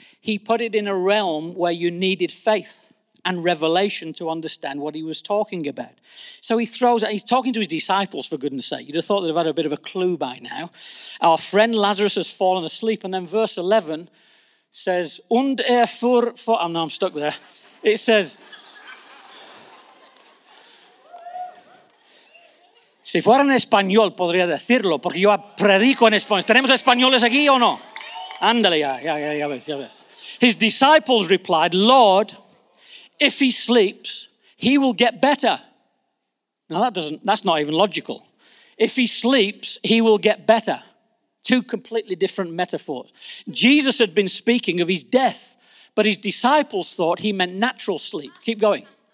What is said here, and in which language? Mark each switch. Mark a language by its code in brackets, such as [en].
[en] He put it in a realm where you needed faith and revelation to understand what he was talking about. So he's talking to his disciples, for goodness sake. You'd have thought they'd have had a bit of a clue by now. Our friend Lazarus has fallen asleep. And then verse 11 says, [de] "Und er fuhr vor." [en] Oh, no, I'm stuck there. It says, [es] si fuera en español, podría decirlo, porque yo predico en español. ¿Tenemos españoles aquí o no? Ándale, ya ves. [en] His disciples replied, Lord, if he sleeps, he will get better. Now that's not even logical. If he sleeps, he will get better. Two completely different metaphors. Jesus had been speaking of his death, but his disciples thought he meant natural sleep. Keep going.